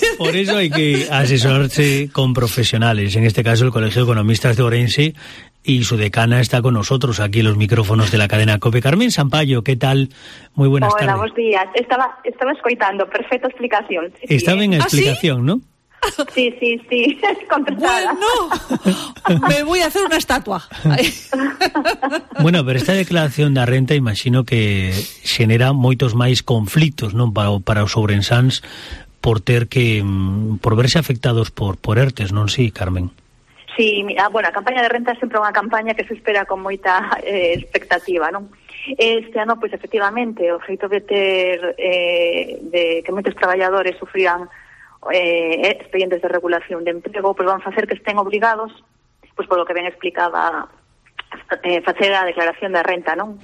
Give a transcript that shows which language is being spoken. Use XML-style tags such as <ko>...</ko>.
<es>Por eso hay que asesorarse con profesionales, en este caso el Colegio de Economistas de Orense, y su decana está con nosotros aquí en los micrófonos de la cadena COPE. Carmen Sampaio, ¿qué tal? Muy buenas tardes. Hola, buenos días. Estaba escuchando, perfecta explicación. Sí, estaba en explicación, ¿ah, sí? ¿No? Sí, es contestada. ¡Bueno! Me voy a hacer una estatua. Bueno, pero esta declaración de renta imagino que genera</es> <gl>moitos máis conflitos,</gl> <es>¿no?</es> <gl>Para os ourensáns por verse afectados por ERTEs, ¿no?</gl> <es>Sí, Carmen.</es> <gl>Sí, mira, bueno, a campaña de renta é sempre unha campaña que se espera con moita expectativa, non? Este ano, pois, efectivamente, o feito de ter de que moitos traballadores sufrían expedientes de regulación de emprego, pois van facer que estén obligados, pois, polo que ben explicaba, facer a declaración de renta, non?</gl>